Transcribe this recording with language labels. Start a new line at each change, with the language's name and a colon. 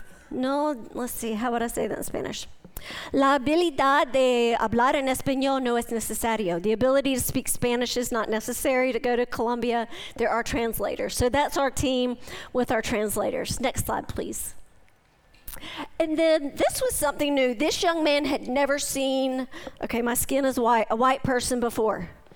English: No, let's see, how would I say that in Spanish?
Spanish: La habilidad de hablar en español no es necesario.
English: The ability to speak Spanish is not necessary to go to Colombia. There are translators. So that's our team with our translators. Next slide, please. And then this was something new. This young man had never seen, okay, my skin is white, a white person before.